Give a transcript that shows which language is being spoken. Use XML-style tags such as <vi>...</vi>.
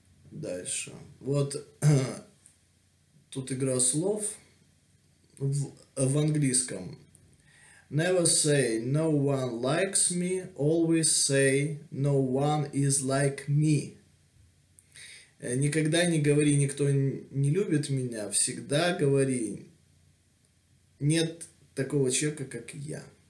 <ru>Дальше. Вот тут игра слов в английском.</ru> <en>Never say no one likes me, always say no one is like me.</en> <ru>Никогда не говори, никто не любит меня, всегда говори, нет такого человека, как я.</ru>